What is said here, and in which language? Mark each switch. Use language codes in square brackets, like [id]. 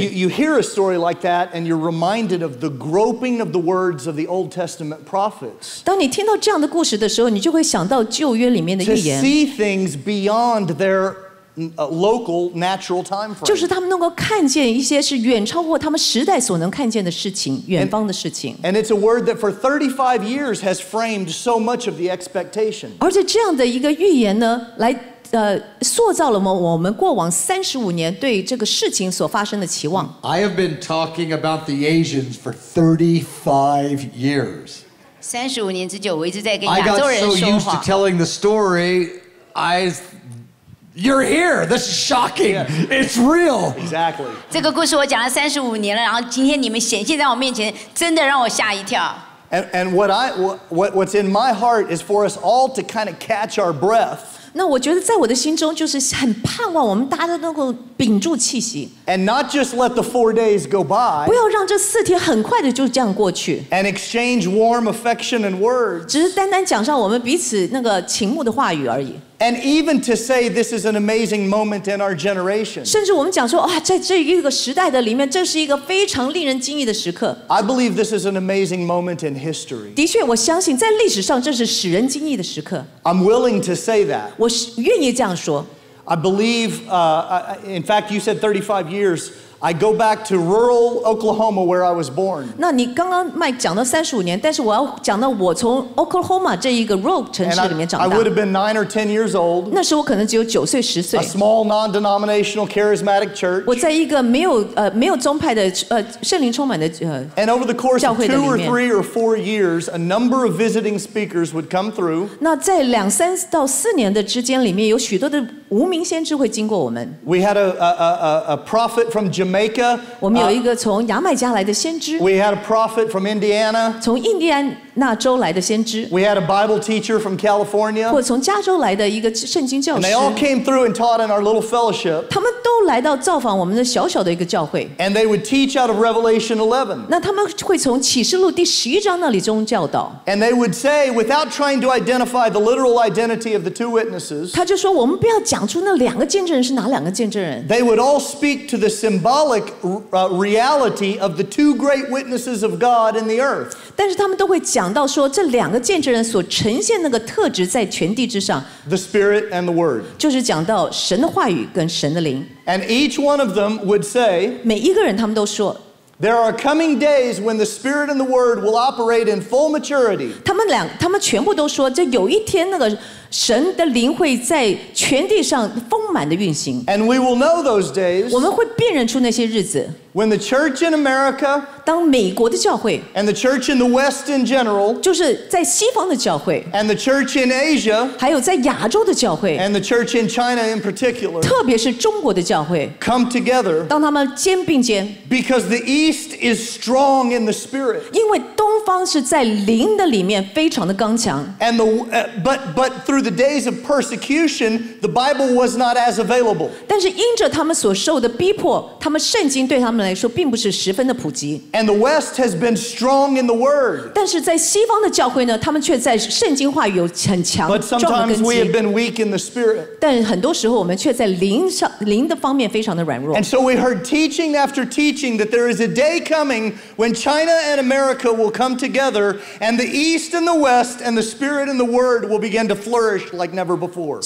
[en] You hear a story like that, and you're reminded of the groping of the words of the Old Testament prophets. [zh] 当你听到这样的故事的时候，你就会想到旧约里面的预言。 [en] To see things beyond their local natural time frame. [zh] 就是他们能够看见一些是远超过他们时代所能看见的事情，远方的事情。 [en] And it's a word that for 35 years has framed so much of the expectation. [zh] 而且这样的一个预言呢，来塑造了我们过往35年对这个事情所发生的期望。 [en] I have been talking about the Asians for 35 years. [zh] 35年之久，我一直在跟亚洲人说话。 [en] I got so used to telling the story, You're here. This is shocking. Yeah. It's real. Exactly. [zh] 这个故事我讲了35年了，然后今天你们显现在我面前，真的让我吓一跳。 [en] And what's in my heart is for us all to kind of catch our breath. [zh] 那我觉得在我的心中就是很盼望我们大家能够屏住气息。 [en] And not just let the 4 days go by. [zh] 不要让这4天很快的就这样过去。 [en] And exchange warm affection and words. [zh] 只是单单讲上我们彼此那个情慕的话语而已。 [en] And even to say this is an amazing moment in our generation. [zh] 甚至我们讲说啊，在这一个时代的里面，这是一个非常令人惊异的时刻。 [en] I believe this is an amazing moment in history. [zh] 的确，我相信在历史上这是使人惊异的时刻。 [en] I'm willing to say that. [zh] 我愿意这样说。 [en] I believe, in fact, you said 35 years. I go back to rural Oklahoma where I was born. [zh] 那你刚刚麦讲到三十五年，但是我要讲到我从 Oklahoma 这一个 rural 城市里面长大。 [en] I would have been 9 or 10 years old. [zh] 那时候我可能只有九岁十岁。 [en] A small non-denominational charismatic church. [zh] 我在一个没有没有宗派的圣灵充满的 [en] And over the course of 2 or 3 or 4 years, a number of visiting speakers would come through. [zh] 那在两三到四年的之间里面，有许多的无名先知会经过我们。 [en] We had a prophet from Jamaica. [zh] 我们有一个从牙买加来的先知。 [en] We had a prophet from Indiana. [zh] 从印第安纳州来的先知。 [en] We had a Bible teacher from California. [zh] 或从加州来的一个圣经教师。 [en] And they all came through and taught in our little fellowship. [zh] 他们都来到造访我们的小小的一个教会。 [en] And they would teach out of Revelation 11. [zh] 那他们会从启示录第十一章那里中教导。 [en] And they would say, without trying to identify the literal identity of the two witnesses. [zh] 他就说我们不要讲出那两个见证人是哪两个见证人。 [en] They would all speak to the symbolic reality of the two great witnesses of God in the earth. [zh] 但是他们都会讲到说这两个见证人所呈现那个特质在全地之上。 [en] The Spirit and the Word. [zh] 就是讲到神的话语跟神的灵。 [en] And each one of them would say, [zh] 每一个人他们都说 [en] There are coming days when the Spirit and the Word will operate in full maturity. [zh] 他们全部都说，这有一天那个神的灵会在全地上丰满的运行。 [en] And we will know those days. [zh] 我们会辨认出那些日子。 [en] When the church in America, [zh] 当美国的教会 [en] and the church in the West in general, [zh] 就是在西方的教会 [en] and the church in Asia, [zh] 还有在亚洲的教会 [en] and the church in China in particular, [zh] 特别是中国的教会 [en] come together, [zh] 当他们肩并肩 [en] because the East is strong in the Spirit, [zh] 因为东方是在灵的里面非常的刚强 [en] and the, but through the days of persecution, the Bible was not as available. [zh] 但是因着他们所受的逼迫，他们圣经对他们来说并不是十分的普及。 [en] And the West has been strong in the Word. [zh] 但是在西方的教会呢，他们却在圣经话语有很强壮的根基。 [en] But sometimes we have been weak in the Spirit. [zh] 但很多时候我们却在灵的方面非常的软弱。 [en] And so we heard teaching after teaching that there is a day coming when China and America will come together, and the East and the West and the Spirit and the Word will begin to flourish like never before.